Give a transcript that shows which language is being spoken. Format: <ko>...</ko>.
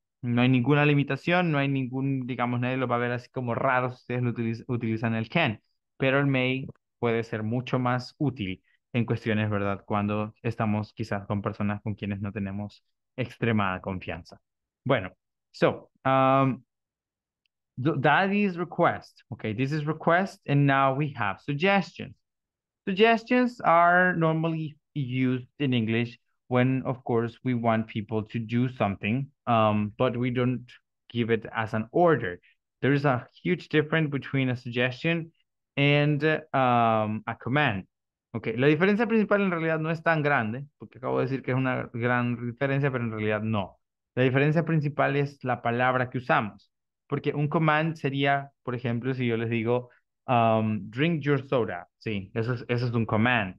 <es>No hay ninguna limitación, no hay ningún, digamos, nadie lo va a ver así como raro si ustedes utilizan el can. Pero el may puede ser mucho más útil en cuestiones, ¿verdad? Cuando estamos quizás con personas con quienes no tenemos extremada confianza.</es> <en>Bueno, so, that is request, okay? This is request, and now we have suggestions. Suggestions are normally used in English when, of course, we want people to do something, but we don't give it as an order. There is a huge difference between a suggestion and a command.</en> <es>Okay, la diferencia principal en realidad no es tan grande, porque acabo de decir que es una gran diferencia, pero en realidad no. La diferencia principal es la palabra que usamos, porque un command sería, por ejemplo, si yo les digo,</es> <en>drink your soda.</en> <es>Sí, eso es un command.</es>